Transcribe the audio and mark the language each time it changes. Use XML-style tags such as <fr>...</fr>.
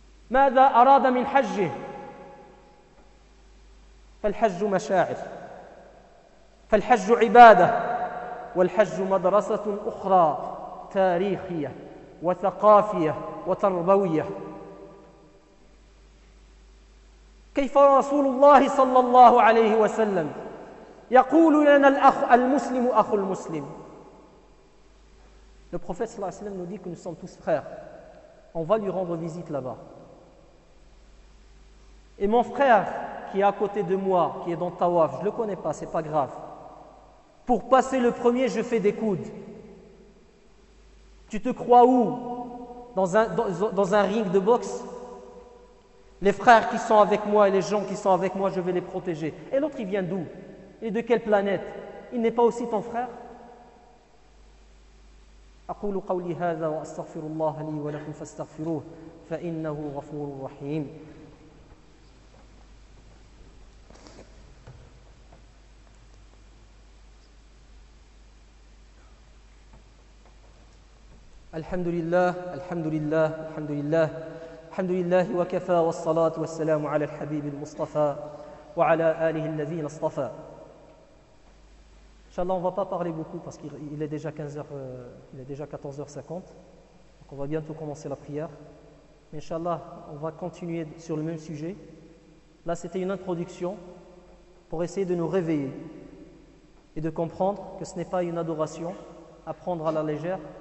<ar>ماذا أراد من حجه؟ فالحج مشاعر، فالحج عبادة، والحج مدرسة أخرى تاريخية وثقافية وتربوية. كيف رسول الله صلى الله عليه وسلم يقول لنا الأخ المسلم أخو المسلم؟</ar> <fr>Le prophète</fr> <ar>صلى الله عليه وسلم</ar> <fr>nous dit que nous sommes tous frères. On va lui rendre visite là-bas. Et mon frère qui est à côté de moi, qui est dans Tawaf, je ne le connais pas, ce n'est pas grave. Pour passer le premier, je fais des coudes. Tu te crois où? Dans un ring de boxe? Les frères qui sont avec moi et les gens qui sont avec moi, je vais les protéger. Et l'autre, il vient d'où? Il est de quelle planète? Il n'est pas aussi ton frère?</fr> <ar>أَقُولُ قَوْلِ هَذَا وَأَسْتَغْفِرُ اللَّهَ لِي وَلَكُمْ فَاسْتَغْفِرُوهُ فَإِنَّهُ غَفُورٌ رَحِيمٌ. الحمد لله الحمد لله الحمد لله الحمد لله وكفى والصلاة والسلام على الحبيب المصطفى وعلى آله الذين اصطفى. إن شاء الله</ar> <fr>on va pas parler beaucoup parce qu'il est déjà 15h, il est déjà 14h50, donc on va bientôt commencer la prière. Mais inshallah on va continuer sur le même sujet. Là c'était une introduction pour essayer de nous réveiller et de comprendre que ce n'est pas une adoration à prendre à la légère.</fr>